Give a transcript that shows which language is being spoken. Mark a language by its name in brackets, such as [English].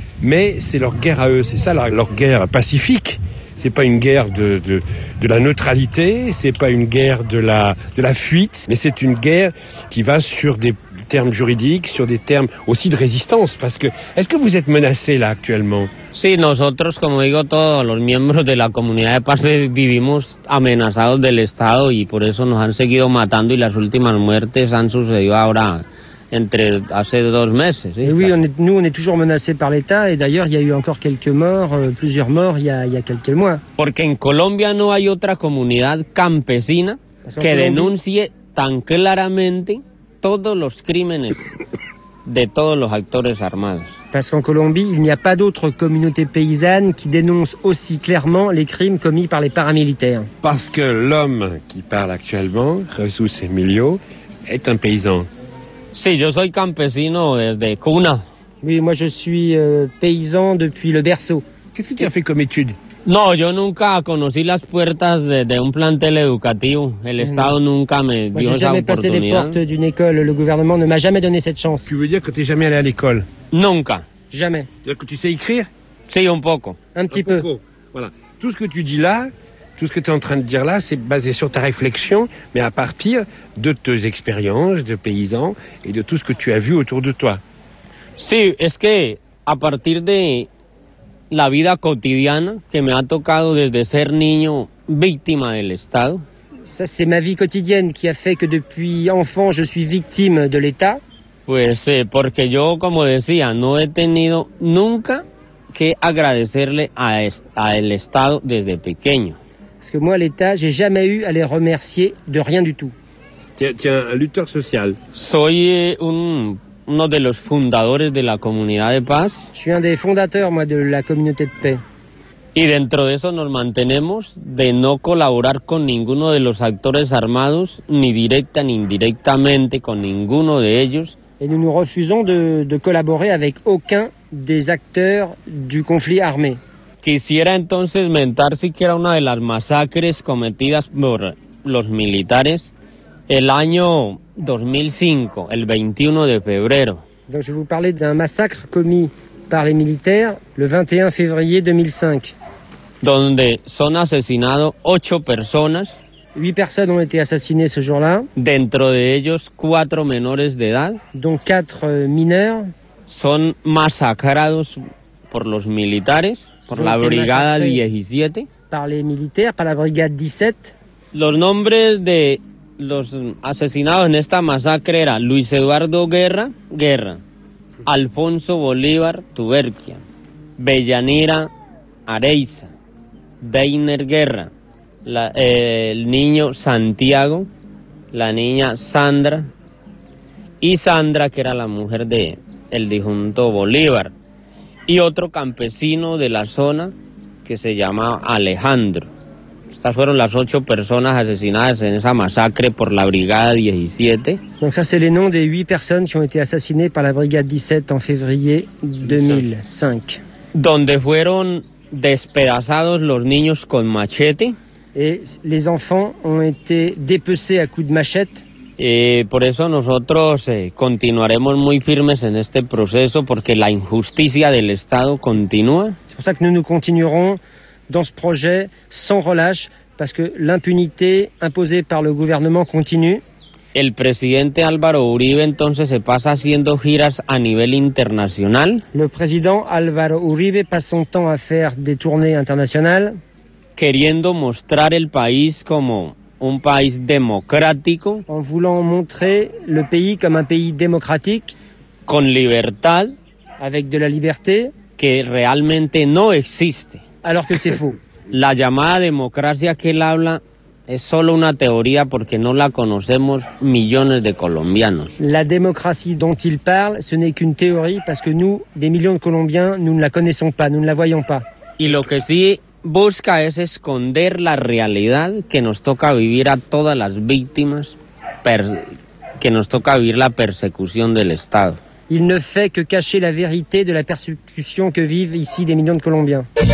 [French] Mais c'est leur guerre à eux, c'est ça leur guerre pacifique. C'est pas une guerre de la neutralité, c'est pas une guerre de la fuite, mais c'est une guerre qui va sur des termes juridiques, sur des termes aussi de résistance. Parce que est-ce que vous êtes menacé là actuellement? [Spanish] Sí, nosotros, como digo, todos los miembros de la comunidad de paz vivimos amenazados del Estado y por eso nos han seguido matando y las últimas muertes han sucedido ahora. [French] Entre assez de 12 mois. Oui, on est toujours menacés par l'État et d'ailleurs il y a eu encore quelques morts, plusieurs morts il y a quelques mois. [Spanish] Porque en Colombia no hay otra comunidad campesina que denuncie tan claramente todos los crímenes de todos los actores armados. [French] Parce qu'en Colombie, il n'y a pas d'autre communauté paysanne qui dénonce aussi clairement les crimes commis par les paramilitaires. Parce que l'homme qui parle actuellement, Jesús Emilio, est un paysan. [Spanish] Sí, yo soy campesino desde cuna. [French] Oui, moi je suis paysan depuis le berceau. Qu'est-ce que tu as fait comme étude? [Spanish] No, yo nunca conocí las puertas de un plantel educativo. El Estado nunca me dio esa oportunidad. [French] J'ai jamais passé les portes d'une école. Le gouvernement ne m'a jamais donné cette chance. Tu veux dire que tu n'es jamais allé à l'école? [Spanish] Nunca. [French] Jamais. C'est-à-dire que tu sais écrire? [Spanish] Sí, un poco. [French] Un petit peu. Voilà. Tout ce que tu dis là, tout ce que tu es en train de dire là, c'est basé sur ta réflexion, mais à partir de tes expériences de paysan et de tout ce que tu as vu autour de toi. [Spanish] Sí, es que a partir de la vida cotidiana que me ha tocado desde ser niño víctima del Estado. [French] Ça, c'est ma vie quotidienne qui a fait que depuis enfant, je suis victime de l'État. [Spanish] Pues, porque yo, como decía, no he tenido nunca que agradecerle a el Estado desde pequeño. [French] Parce que moi, l'État, j'ai jamais eu à les remercier de rien du tout. Tiens, un lutteur social. [Spanish] Soy uno de los fundadores de la comunidad de paz. [French] Je suis un des fondateurs, moi, de la communauté de paix. [Spanish] Y dentro de eso nos mantenemos de no colaborar con ninguno de los actores armados, ni directa ni indirectamente con ninguno de ellos. [French] Et nous nous refusons de collaborer avec aucun des acteurs du conflit armé. [Spanish] Quisiera entonces mentar siquiera una de las masacres cometidas por los militares el año 2005, el 21 de febrero. [French] Donc je vous parlais d'un massacre commis par les militaires le 21 février 2005. [Spanish] Donde son asesinados 8 personas. [French] 8 personnes ont été assassinées ce jour-là. [Spanish] Dentro de ellos 4 menores de edad. [French] Donc 4 mineurs. [Spanish] Son masacrados por los militares, por la brigada 17. [French] Par les militaires, par la brigade 17. [Spanish] Los nombres de los asesinados en esta masacre eran Luis Eduardo Guerra, Guerra, Alfonso Bolívar, Tuberquia, Bellanira, Areiza, Deiner Guerra, el niño Santiago, la niña Sandra, y Sandra, que era la mujer de el difunto Bolívar, y otro campesino de la zona que se llamaba Alejandro. Estas fueron las 8 personas asesinadas en esa masacre por la Brigada 17. [French] Donc ça c'est les noms des 8 personnes qui ont été assassinées par la Brigade 17 en février 2005. [Spanish] Donde fueron despedazados los niños con machete. [French] Et les enfants ont été dépecés à coups de machette. [Spanish] Por eso nosotros continuaremos muy firmes en este proceso porque la injusticia del Estado continúa. [French] C'est pour ça que nous continuerons dans ce projet sans relâche parce que l'impunité imposée par le gouvernement continue. [Spanish] El presidente Álvaro Uribe entonces se pasa haciendo giras a nivel internacional. [French] Le président Álvaro Uribe passe son temps à faire des tournées internationales [Spanish] queriendo mostrar el país como un país democrático, [French] en voulant montrer le pays comme un pays démocratique, [Spanish] con libertad, [French] avec de la liberté, [Spanish] que realmente no existe, [French] alors que c'est faux. [Spanish] La llamada democracia que él habla es solo una teoría porque no la conocemos millones de colombianos. [French] La démocratie dont il parle, ce n'est qu'une théorie parce que nous, des millions de colombiens, nous ne la connaissons pas, nous ne la voyons pas. [Spanish] Y lo que sí busca es esconder la realidad que nos toca vivir a todas las víctimas, que nos toca vivir la persecución del Estado. [French] Il ne fait que cacher la vérité de la persécution que vivent ici des millions de colombiens.